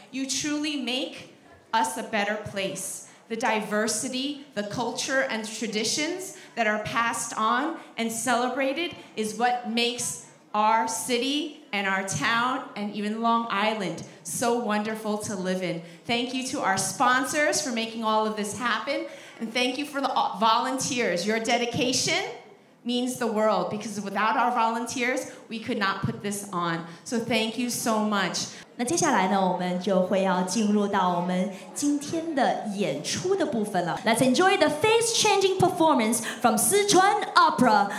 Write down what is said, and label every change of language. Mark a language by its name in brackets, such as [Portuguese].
[English] You truly make us a better place. The diversity, the culture and traditions,that are passed on and celebrated is what makes our city and our town and even Long Island so wonderful to live in. Thank you to our sponsors for making all of this happen. And thank you for the volunteers. Your dedication means the world because without our volunteers, we could not put this on. So thank you so much. [Chinese] 那接下来呢，我们就会要进入到我们今天的演出的部分了。 [English] Let's enjoy the face-changing performance from Sichuan Opera.